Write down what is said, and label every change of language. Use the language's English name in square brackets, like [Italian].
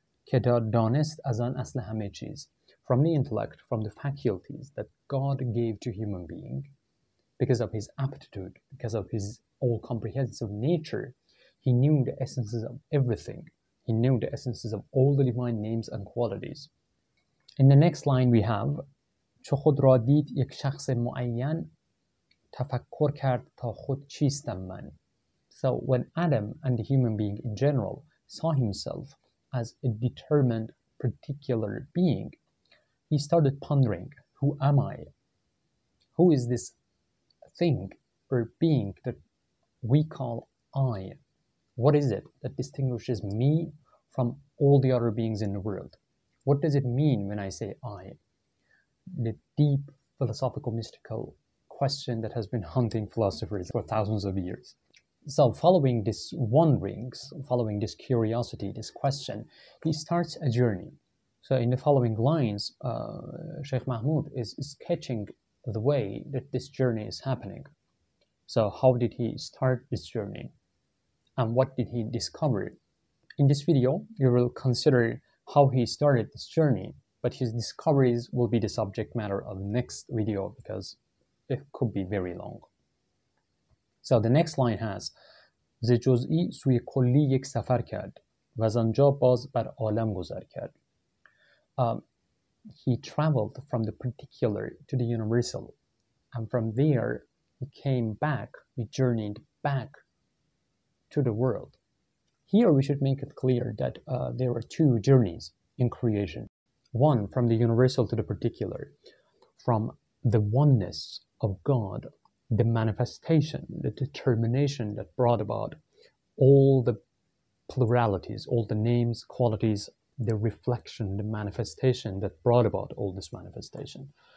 [Persian] Kedadonest azan aslahamechis, [English] from the intellect, from the faculties that God gave to human being, because of his aptitude, because of his all-comprehensive nature, he knew the essences of everything. He knew the essences of all the divine names and qualities. In the next line we have, [Persian] چو خود را دید یک شخص معین تفکر کرد تا خود چیستم من. [English] So when Adam and the human being in general saw himself as a determined particular being, he started pondering, who am I? Who is this thing or being that we call I? What is it that distinguishes me from all the other beings in the world? What does it mean when I say I? The deep philosophical, mystical question that has been haunting philosophers for thousands of years. So following this wanderings, following this curiosity, this question, he starts a journey. So in the following lines, Shaykh Mahmoud is sketching the way that this journey is happening. So how did he start this journey? And what did he discover? In this video, you will consider how he started this journey, but his discoveries will be the subject matter of the next video because it could be very long. So the next line has, [Persian] ز جزئی سوی کلی یک سفر کرد و از آنجا باز بر عالم گذر کرد. [English] He traveled from the particular to the universal, and from there he came back, he journeyed back to the world. Here we should make it clear that there are two journeys in creation. One, from the universal to the particular, from the oneness of God, the manifestation, the determination that brought about all the pluralities, all the names, qualities, the reflection, the manifestation that brought about all this manifestation.